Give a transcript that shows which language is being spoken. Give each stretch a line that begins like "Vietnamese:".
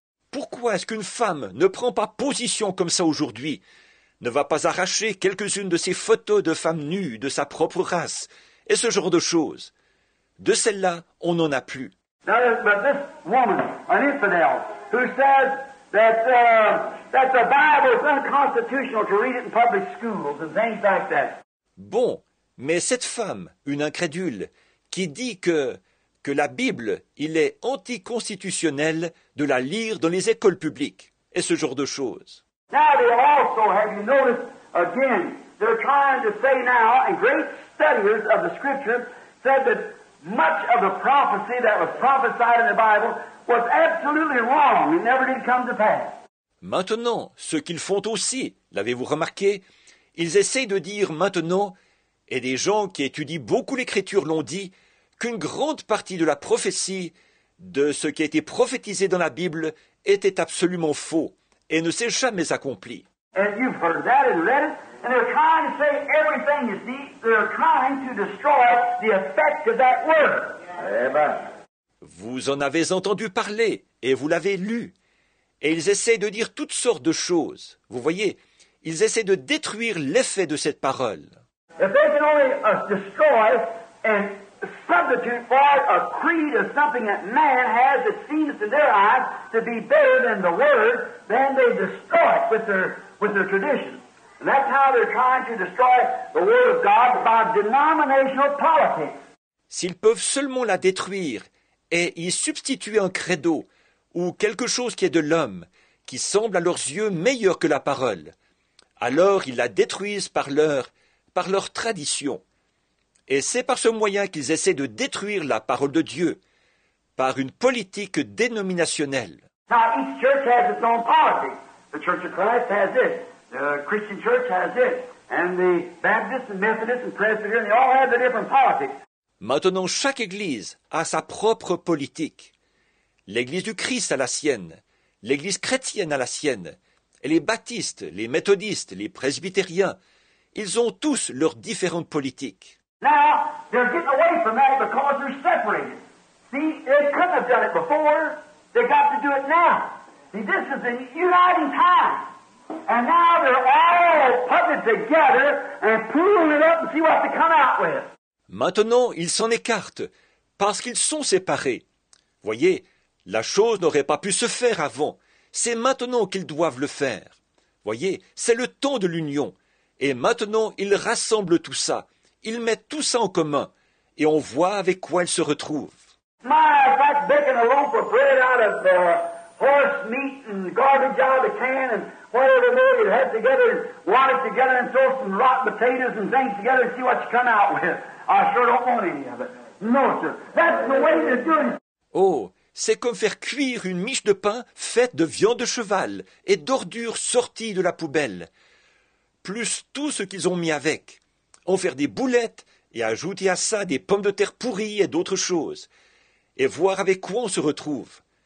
French: Pourquoi est-ce qu'une femme ne prend pas position comme ça aujourd'hui, ne va pas arracher quelques-unes de ses photos de femmes nues de sa propre race et ce genre de choses? De celles-là, on n'en a plus.
English: But this woman, an infidel, who says that the Bible is unconstitutional to read it in public schools and things like that.
French: Bon, mais cette femme, une incrédule, qui dit que la Bible, il est anticonstitutionnel de la lire dans les écoles publiques, et ce genre de choses.
English: Now they also, have you noticed, again, they're trying to say now, and great studiers of the Scriptures said that much of the prophecy that was prophesied in the Bible was absolutely wrong. It never did come to pass.
French: Maintenant, ce qu'ils font aussi, l'avez-vous remarqué, ils essayent de dire maintenant, et des gens qui étudient beaucoup l'Écriture l'ont dit, qu'une grande partie de la prophétie, de ce qui a été prophétisé dans la Bible, était absolument faux et ne s'est jamais accompli.
English: And you've heard that and read it. And they're trying to say everything, you see. They're trying to destroy the effect of that word. Amen.
French: Vous en avez entendu parler, et vous l'avez lu. Et ils essaient de dire toutes sortes de choses. Vous voyez, ils essaient de détruire l'effet de cette parole.
English: If they can only destroy and substitute for it a creed of something that man has that seems in their eyes to be better than the word, then they destroy it with their tradition. And that's how they're trying to destroy the word of God by denominational politics.
French: S'ils peuvent seulement la détruire et y substituer un credo ou quelque chose qui est de l'homme, qui semble à leurs yeux meilleur que la parole, alors ils la détruisent par leur tradition. Et c'est par ce moyen qu'ils essaient de détruire la parole de Dieu, par une politique dénominationnelle.
English: Now, each church has its own policy. The Church of Christ has this. The Christian Church has this. and the Baptists and Methodists and Presbyterians, they all have their different politics.
French: Maintenant, chaque église a sa propre politique. L'église du Christ a la sienne, l'église chrétienne a la sienne, et les baptistes, les méthodistes, les presbytériens, ils ont tous leurs différentes politiques.
English: Now, they're getting away from that because they're separated. See, they couldn't have done it before. They got to do it now. See, this is a uniting time. And now they're all putting it together and pulling it up and see what they come out with.
French: Maintenant, ils s'en écartent parce qu'ils sont séparés. Voyez, la chose n'aurait pas pu se faire avant. C'est maintenant qu'ils doivent le faire. Voyez, c'est le temps de l'union. Et maintenant, ils rassemblent tout ça. Ils mettent tout ça en commun. Et on voit avec quoi ils se retrouvent.
English: My, that's baking a loaf of bread out of the horse meat and garbage out of the can and whatever they had together and want it together and throw some rotten potatoes and things together and see what you come out with. I sure don't want any of it. No, sir. That's the way they're doing it.
French: Oh, c'est comme faire cuire une miche de pain faite de viande de cheval et d'ordures sorties de la poubelle, plus tout ce qu'ils ont mis avec, en faire des boulettes et ajouter à ça des pommes de terre pourries et d'autres choses, et voir avec quoi on se retrouve.